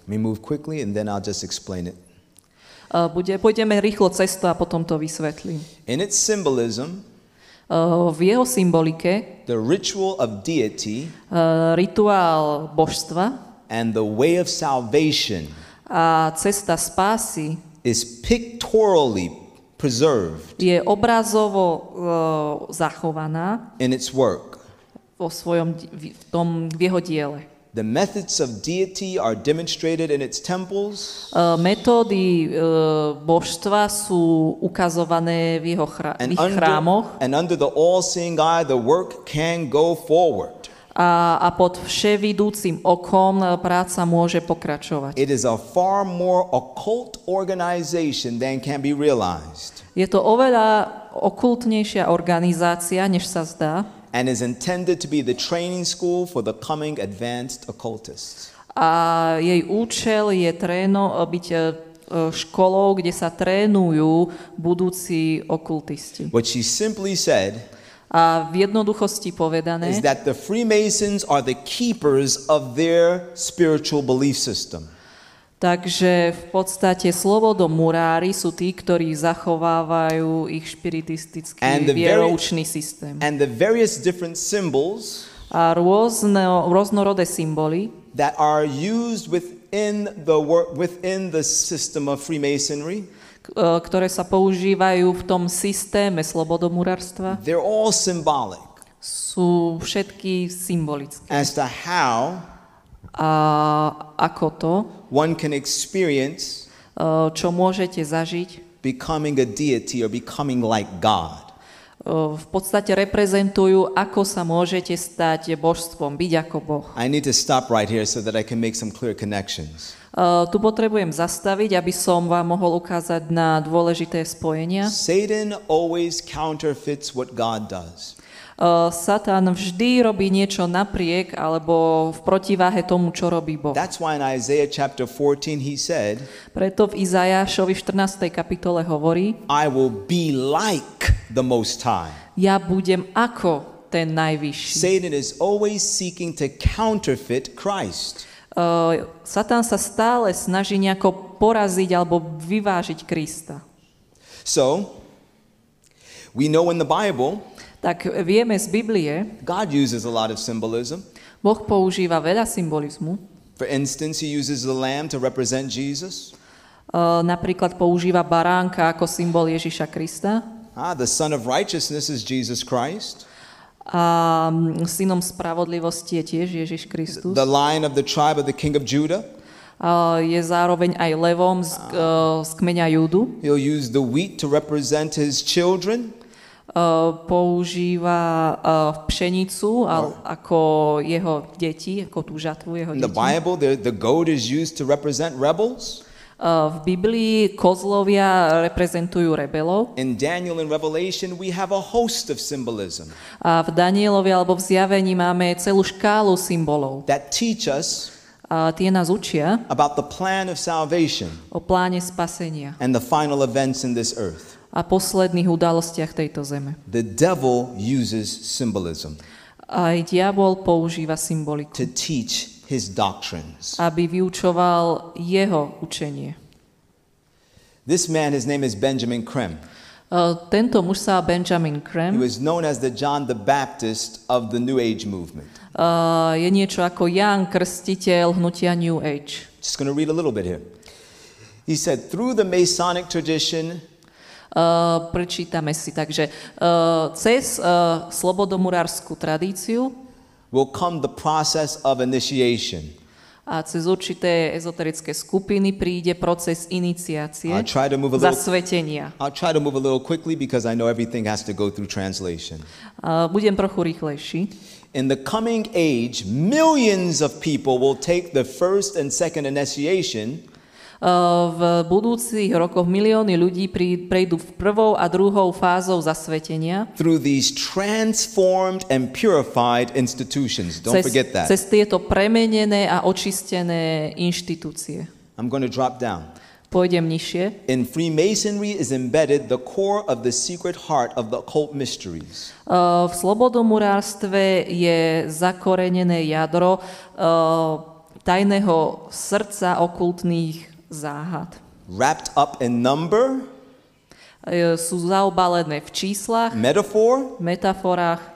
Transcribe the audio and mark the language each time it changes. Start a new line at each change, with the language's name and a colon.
English: We move quickly and then I'll just explain it.
Slovak: Pôjdeme rýchlo cestu a potom to vysvetlím.
English: In its symbolism,
Slovak: v jeho symbolike,
English: the ritual of deity,
Slovak: rituál božstva,
English: and the way of salvation,
Slovak: a cesta spásy,
English: is pictorially preserved.
Slovak: Je obrazovo zachovaná
English: in its work.
Slovak: Vo svojom v tom v jeho diele.
English: The methods of deity are demonstrated in its temples.
Slovak: Metódy božstva sú ukazované v jeho chrámoch.
English: And under the all-seeing eye, the work can go forward.
Slovak: A pod vševidúcim okom práca môže pokračovať.
English: It is a far more occult organization than can be realized.
Slovak: Je to oveľa okultnejšia organizácia, než sa zdá.
English: And is intended to be the training school for the coming advanced occultists.
Slovak: A jej účel je byť školou, kde sa trénujú budúci okultisti.
English: What she simply said,
Slovak: a v jednoduchosti povedané,
English: is that the Freemasons are the keepers of their spiritual belief system.
Slovak: Takže v podstate slobodomurári sú tí, ktorí zachovávajú ich špiritistický vieroučný systém.
English: And the various different symbols
Slovak: a rôznorodé symboly
English: that are used within the system of Freemasonry,
Slovak: ktoré sa používajú v tom systéme slobodomurárstva,
English: they're all symbolic.
Slovak: Sú všetky symbolické.
English: As to how
Slovak: a ako to
English: one can experience
Slovak: čo môžete zažiť
English: becoming a deity or becoming like God.
Slovak: V podstate reprezentujú, ako sa môžete stať božstvom, byť ako Boh.
English: I need to stop right here so that I can make some clear connections.
Slovak: Tu potrebujem zastaviť, aby som vám mohol ukázať na dôležité spojenia.
English: Satan always counterfeits what God does.
Slovak: Satan vždy robí niečo napriek alebo v protiváhe tomu, čo robí Boh.
English: That's why in Isaiah chapter 14 he said,
Slovak: preto v Izajášovi 14. kapitole hovorí,
English: I will be like the Most High.
Slovak: Ja budem ako ten najvyšší.
English: Satan is always seeking to counterfeit Christ.
Slovak: Satan sa stále snaží nejako poraziť alebo vyvážiť Krista.
English: So, we know in the Bible,
Slovak: tak vieme z Biblie,
English: God uses a lot of symbolism.
Slovak: Boh používa veľa symbolizmu.
English: For instance, he uses the lamb to represent Jesus.
Slovak: Napríklad používa baránka ako symbol Ježiša Krista.
English: The son of righteousness is Jesus Christ.
Slovak: A synom spravodlivosti je tiež Ježiš Kristus.
English: The lion of the tribe of the king of Judah.
Slovak: Je zároveň aj levom z kmeňa Júdu.
English: He'll use the wheat to represent his children.
Slovak: Používa pšenicu ako jeho deti, ako tú žatvu jeho deti.
English: The Bible, the goat is used to represent rebels.
Slovak: V Biblii kozlovia reprezentujú rebelov.
English: In Daniel and Revelation we have a host of symbolism.
Slovak: A v Danielovi alebo v Zjavení máme celú škálu symbolov.
English: That teach us
Slovak: tie nás učia
English: about the plan of salvation.
Slovak: O pláne spasenia.
English: And the final events in this earth.
Slovak: A posledných udalostiach tejto zeme.
English: The devil uses symbolism.
Slovak: Aj diabol používa symboliku.
English: To teach his doctrines.
Slovak: Aby vyučoval jeho učenie.
English: This man, his name is Benjamin Krem.
Slovak: Tento muž sa Benjamin Krem.
English: He was known as the John the Baptist of the New Age movement.
Slovak: Je niečo ako Ján Krstiteľ hnutia New Age.
English: Just going to read a little bit here. He said, through the Masonic tradition,
Slovak: Prečítame si. Takže cez slobodomurársku tradíciu
English: will come the process of initiation.
Slovak: A cez určité ezoterické skupiny príde proces iniciácie, zasvetenia.
English: I'll try to move a little quickly because I know everything has to go through translation.
Slovak: Budem trochu rýchlejší.
English: In the coming age, millions of people will take the first and second initiation.
Slovak: V budúcich rokoch milióny ľudí prejdú v prvou a druhou fázou zasvetenia.
English: Through these transformed and purified institutions. Don't forget that.
Slovak: Cez tieto premenené a očistené inštitúcie.
English: I'm going to drop down.
Slovak: Pôjdem nižšie.
English: In Freemasonry is embedded the core of the secret heart of the occult mysteries.
Slovak: V slobodomurárstve je zakorenené jadro tajného srdca okultných záhad.
English: Wrapped up in number,
Slovak: sú zaobalené v číslach, metaforách